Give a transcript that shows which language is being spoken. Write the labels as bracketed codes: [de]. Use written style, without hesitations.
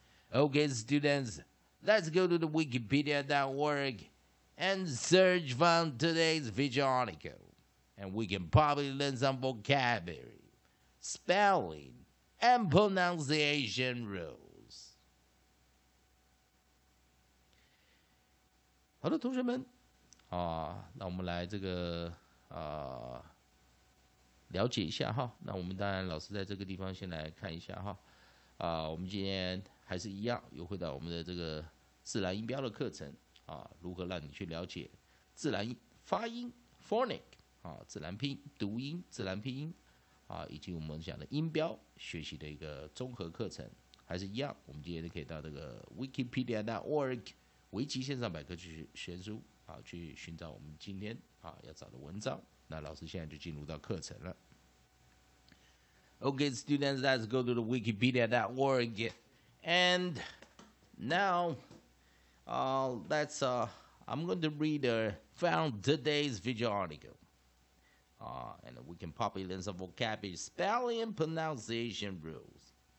[en] OK students, let's go to the wikipedia.org and search for today's video article, and we can probably learn some vocabulary, spelling, and pronunciation rules. [zh] 好的同学们，那我们来这个了解一下哈。那我们当然老师在这个地方先来看一下哈，我们今天还是一样又回到我们的这个自然音标的课程啊，如何让你去了解自然发音 phonic 啊，自然拼音读音，自然拼音啊，以及我们讲的音标学习的一个综合课程，还是一样，我们今天可以到这个 wikipedia.org 维基线上百科去学书啊，去寻找我们今天啊要找的文章。那老师现在就进入到课程了。 [en] OK students, let's go to the wikipedia.org and now I'm going to read the found today's video article and we can probably learn some vocabulary, spelling, and pronunciation rules.